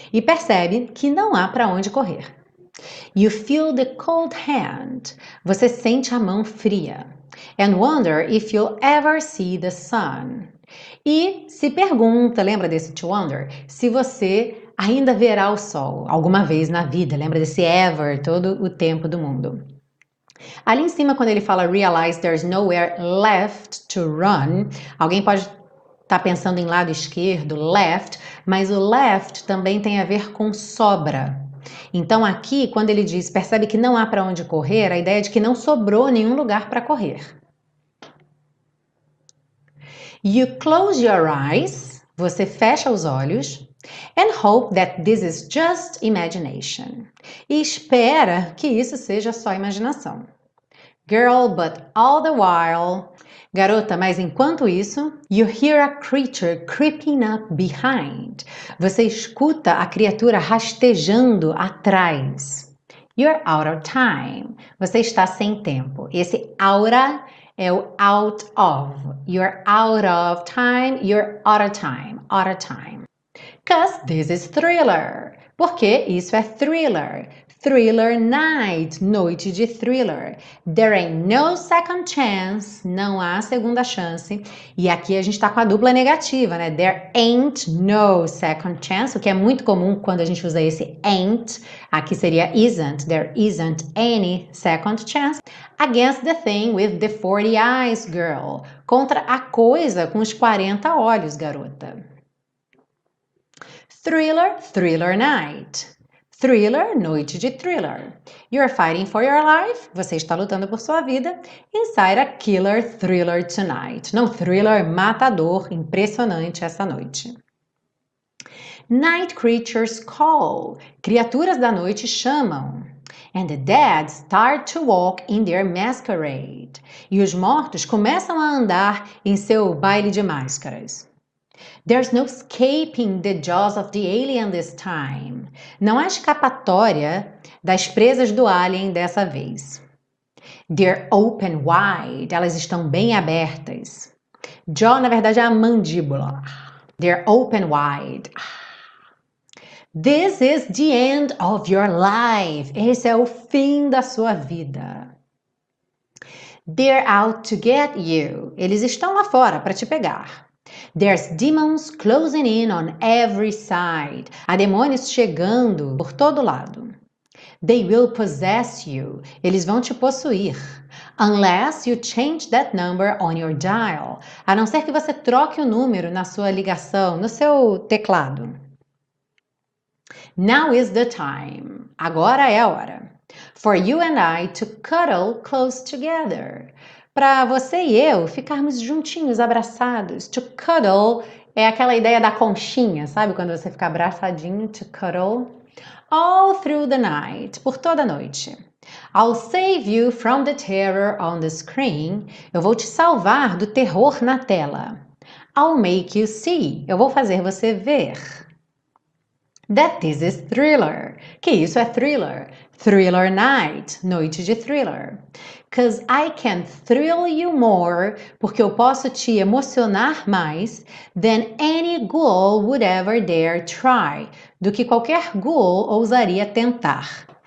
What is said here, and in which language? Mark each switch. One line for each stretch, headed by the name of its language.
Portuguese: E percebe que não há para onde correr.
English: You feel the cold hand.
Portuguese: Você sente a mão fria.
English: And wonder if you'll ever see the sun.
Portuguese: E se pergunta, lembra desse to wonder? Se você ainda verá o sol alguma vez na vida, lembra desse ever, todo o tempo do mundo. Ali em cima, quando ele fala
English: realize there's nowhere left to run,
Portuguese: alguém pode estar pensando em lado esquerdo, left, mas o left também tem a ver com sobra. Então aqui, quando ele diz, percebe que não há para onde correr, a ideia é de que não sobrou nenhum lugar para correr.
English: You close your eyes,
Portuguese: você fecha os olhos.
English: And hope that this is just imagination.
Portuguese: E espera que isso seja só imaginação.
English: Girl, but all the while.
Portuguese: Garota, mas enquanto isso,
English: you hear a creature creeping up behind.
Portuguese: Você escuta a criatura rastejando atrás.
English: You're out of time.
Portuguese: Você está sem tempo. Esse aura é o out of.
English: You're out of time. You're out of time. Out of time. 'Cause this is thriller.
Portuguese: Porque isso é thriller.
English: Thriller night.
Portuguese: Noite de thriller.
English: There ain't no second chance.
Portuguese: Não há segunda chance. E aqui a gente está com a dupla negativa, né?
English: There ain't no second chance.
Portuguese: O que é muito comum quando a gente usa esse ain't. Aqui seria isn't.
English: There isn't any second chance. Against the thing with the 40 eyes, girl.
Portuguese: Contra a coisa com os 40 olhos, garota.
English: Thriller, thriller night.
Portuguese: Thriller, noite de thriller.
English: You're fighting for your life.
Portuguese: Você está lutando por sua vida.
English: Inside a killer thriller tonight.
Portuguese: Não, thriller matador. Impressionante essa noite.
English: Night creatures call.
Portuguese: Criaturas da noite chamam.
English: And the dead start to walk in their masquerade.
Portuguese: E os mortos começam a andar em seu baile de máscaras.
English: There's no escaping the jaws of the alien this time.
Portuguese: Não há escapatória das presas do alien dessa vez.
English: They're open wide.
Portuguese: Elas estão bem abertas. Jaw, na verdade, é a mandíbula.
English: They're open wide. This is the end of your life.
Portuguese: Esse é o fim da sua vida.
English: They're out to get you.
Portuguese: Eles estão lá fora para te pegar.
English: There's demons closing in on every side.
Portuguese: Há demônios chegando por todo lado.
English: They will possess you.
Portuguese: Eles vão te possuir.
English: Unless you change that number on your dial.
Portuguese: A não ser que você troque o número na sua ligação, no seu teclado.
English: Now is the time.
Portuguese: Agora é a hora.
English: For you and I to cuddle close together.
Portuguese: Para você e eu ficarmos juntinhos, abraçados. To cuddle é aquela ideia da conchinha, sabe? Quando você fica abraçadinho, to cuddle.
English: All through the night,
Portuguese: por toda a noite.
English: I'll save you from the terror on the screen.
Portuguese: Eu vou te salvar do terror na tela.
English: I'll make you see.
Portuguese: Eu vou fazer você ver.
English: That this is thriller.
Portuguese: Que isso é thriller?
English: Thriller night,
Portuguese: noite de thriller.
English: 'Cause I can thrill you more,
Portuguese: porque eu posso te emocionar mais,
English: than any ghoul would ever dare try,
Portuguese: do que qualquer ghoul ousaria tentar.